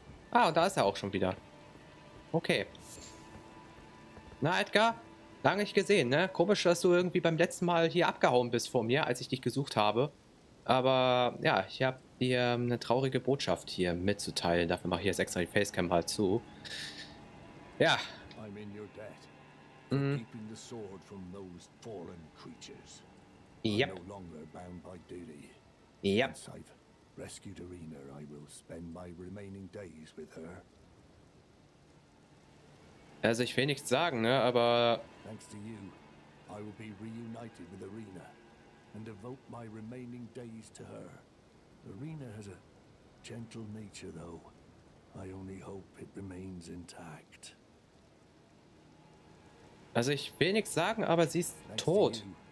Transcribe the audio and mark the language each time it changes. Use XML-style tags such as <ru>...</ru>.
<de>Ah, und da ist er auch schon wieder. Okay. Na, Edgar? Lange nicht gesehen, ne? Komisch, dass du irgendwie beim letzten Mal hier abgehauen bist vor mir, als ich dich gesucht habe. Aber, ja, ich habe dir eine traurige Botschaft hier mitzuteilen. Dafür mache ich jetzt extra die Facecam mal zu.</de> <en>Ja. I'm in your debt. Keeping the sword from those fallen creatures. Yep. No longer bound by duty. Yep. Once I've rescued Arena, I will spend my remaining days with her.</en> <de>Also ich will nichts sagen, ne, aber</de> <en>thanks to you, I will be reunited with Arena and devote my remaining days to her. Arena has a gentle nature though. I only hope it remains intact.</en> <de>Also ich will nichts sagen, aber sie ist tot.</de>